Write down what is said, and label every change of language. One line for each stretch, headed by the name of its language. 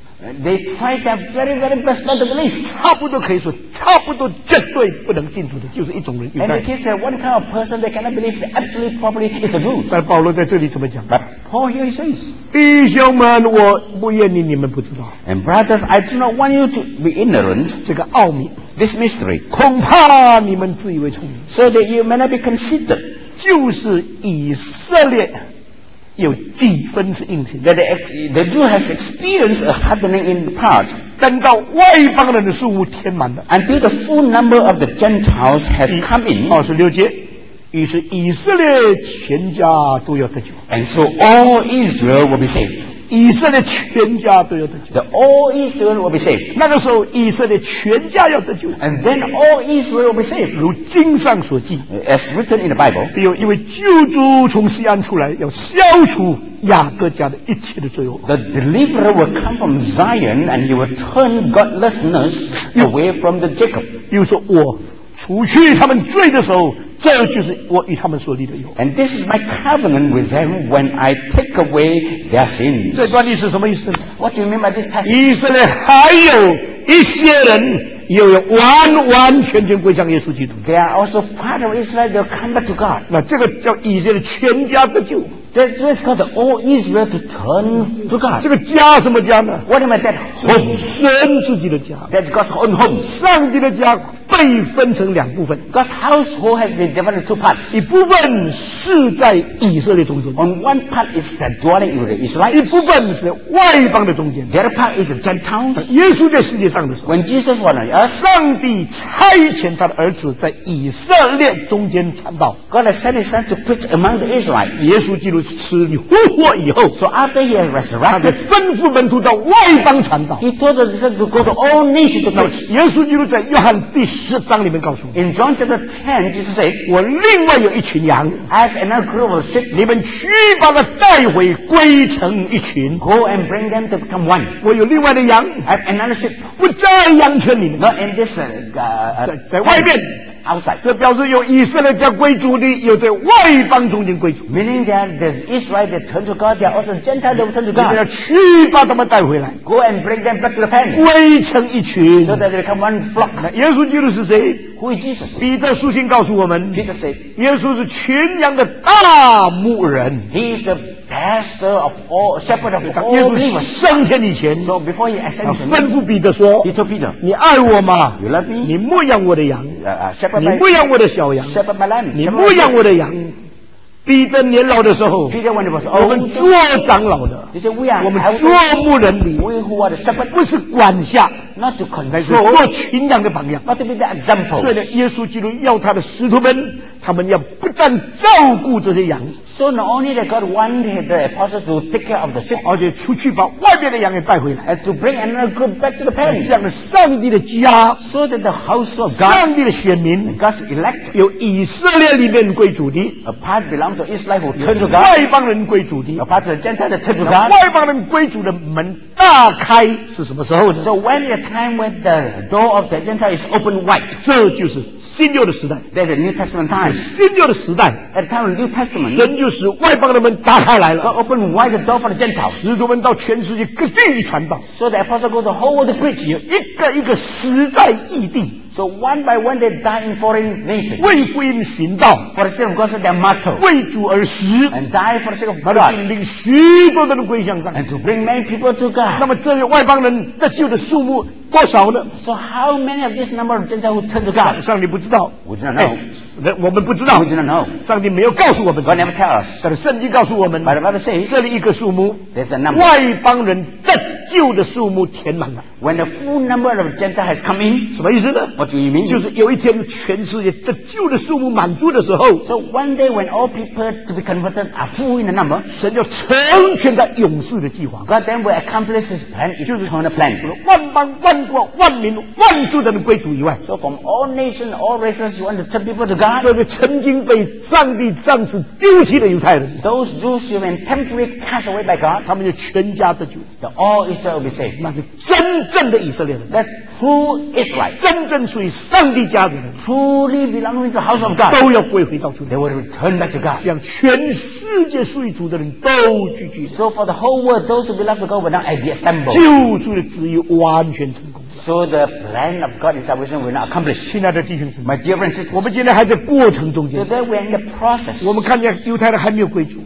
English: They try their very very best not to believe
Chinese: 差不多可以说差不多绝对不能信主的就是一种人
English: And the case that one kind of person they cannot believe absolutely properly is the truth
Chinese: 但保罗在这里怎么讲
English: But Paul here he says
Chinese: 弟兄们我不愿意你们不知道
English: And brothers I do not want you to be ignorant
Chinese: 这个奥秘
English: This mystery
Chinese: 恐怕你们自以为聪明
English: So that you may not be conceited
Chinese: 就是以色列有几分是应许。
English: That the Jew has experienced a hardening in part.
Chinese: 等到外邦人的数目填满了。
English: Until the full number of the Gentiles has come in.
Chinese: 二十六节，于是以色列全家都要得救。
English: And so all Israel will be saved.
Chinese: 以色列全家都要得救。
English: The all Israel will be saved.
Chinese: 那个时候，以色列全家要得救。
English: And then all Israel will be saved.
Chinese: 如经上所记。
English: As written in the Bible.
Chinese: 必有一位救主从锡安出来，要消除雅各家的一切的罪恶。
English: The deliverer will come from Zion, and he will turn godlessness away from the Jacob.
Chinese: 又说我除去他们罪的时候，这就是我与他们所立的约。
English: And this is my covenant with them when I take away their sins.
Chinese: 这段历史什么意思？
English: What do you mean by this passage?
Chinese: 以色列还有一些人又要完完全全归向耶稣基督。
English: They are also part of Israel. They'll come back to God.
Chinese: 那这个叫以色列全家得救。
English: That's why it's called the all Israel to turn to God.
Chinese: 这个家什么家呢？
English: What am I that home?
Chinese: 神自己的家。
English: That's God's own home.
Chinese: 上帝的家被分成两部分。
English: God's household has been divided into two parts.
Chinese: 一部分是在以色列中间。
English: On one part is the dwelling in the Israelites.
Chinese: 一部分是外邦的中间。
English: The other part is the Gentiles.
Chinese: 耶稣在世界上的时候。
English: When Jesus was on earth.
Chinese: 上帝差遣他的儿子在以色列中间传道。
English: God has sent his son to preach among the Israelites.
Chinese: 耶稣基督死里复活以后。
English: So after he has resurrected.
Chinese: 他就吩咐门徒到外邦传道。
English: He told them to go to all nations to preach.
Chinese: 耶稣基督在约翰第十章里面告诉我
English: ，In John chapter ten, Jesus said,
Chinese: 我另外有一群羊
English: ，I have another group of sheep.
Chinese: 你们去把它带回归成一群
English: ，Go and bring them to become one.
Chinese: 我有另外的羊
English: ，I have another sheep.
Chinese: 不在羊圈里面
English: ，Not in this
Chinese: 在外面
English: ，Outside.
Chinese: 这表示有以色列叫归主的，有在外邦中间归主
English: ，Meaning that the Israel that turn to God, they are also Gentile that turn to God.
Chinese: 你们要去把他们带回来
English: ，Go and bring them back to the pen.
Chinese: 归成一群
English: ，So that they become one flock.
Chinese: 耶稣基督是谁？
English: Who is Jesus?
Chinese: 彼得书信告诉我们，
English: Peter said,
Chinese: 耶稣是群羊的大牧人。
English: He is the pastor of all, shepherd of all.
Chinese: 耶稣升天以前，
English: so before he ascended,
Chinese: 他吩咐彼得说，
English: He told Peter,
Chinese: 你爱我吗？
English: You love me?
Chinese: 你牧养我的羊，
English: shepherd my,
Chinese: 你牧养我的小羊，
English: shepherd my lamb,
Chinese: 你牧养我的羊。彼得年老的时候，
English: Peter, when he was old,
Chinese: 我们做长老的，
English: he said, we are,
Chinese: 我们做牧人的，
English: we who are the shepherd,
Chinese: 不是管辖。
English: Not to convey,
Chinese: 做群羊的榜样。
English: Not to be the example.
Chinese: 所以呢，耶稣基督要他的使徒们，他们要不但照顾这些羊。
English: So not only that God wanted the apostles to take care of the sheep,
Chinese: 而且出去把外面的羊也带回来。
English: And to bring another group back to the pen.
Chinese: 这样的上帝的家。
English: So that the house of God.
Chinese: 上帝的选民。
English: God's elect.
Chinese: 由以色列里面归主的。
English: A part belongs to Israel who turned to God.
Chinese: 外邦人归主的。
English: A part of the Gentiles that turned to God.
Chinese: 外邦人归主的门大开是什么时候呢？
English: So when is time when the door of the Gentile is opened wide.
Chinese: 这就是新约的时代。
English: That's the New Testament time.
Chinese: 新约的时代。
English: At the time of the New Testament.
Chinese: 神就使外邦的门打开来了。
English: God opened wide the door for the Gentiles.
Chinese: 使徒们到全世界各地传道。
English: So the apostles go to the whole world to preach.
Chinese: 一个一个死在异地。
English: So one by one they die in foreign nations.
Chinese: 为福音寻道。
English: For the sake of God's their martyr.
Chinese: 为主而死。
English: And die for the sake of God.
Chinese: 把领许多人归向上。
English: And to bring many people to God.
Chinese: 那么这些外邦人得救的数目多少呢？
English: So how many of this number of Gentiles who turn to God?
Chinese: 上帝不知道。
English: We do not know.
Chinese: 我们不知道。
English: We do not know.
Chinese: 上帝没有告诉我们。
English: God never tell us.
Chinese: 但是圣经告诉我们。
English: But the Bible says.
Chinese: 这里一个数目。
English: There's a number.
Chinese: 外邦人得救的数目填满了。
English: When the full number of Gentiles has come in.
Chinese: 什么意思呢？
English: What do you mean?
Chinese: 就是有一天全世界得救的数目满足的时候。
English: So one day when all people to be converted are full in the number.
Chinese: 神就成全他永世的计划。
English: God then will accomplish his plan.
Chinese: 就是成了 plan. 除了万邦万国万民万族的归主以外。
English: So from all nations, all races, you want to turn people to God.
Chinese: 这个曾经被上帝暂时丢弃的犹太人。
English: Those Jews who have been temporarily cast away by God.
Chinese: 他们就全家得救。
English: The all Israel will be saved.
Chinese: 那是真正的以色列人。
English: That's who is right.
Chinese: 真正属于上帝家的人。
English: Truly belonging to the house of God.
Chinese: 都要归回到主。
English: They will return back to God.
Chinese: 这样全世界属于主的人都聚集。
English: So for the whole world, those who belong to God will not be assembled.
Chinese: 救赎的旨意完全成功。
English: So the plan of God in salvation will not accomplish.
Chinese: 亲爱的弟兄姊妹，
English: My dear friends,
Chinese: 我们今天还在过程中间。
English: So then we're in the process.
Chinese: 我们看见犹太人还没有归主。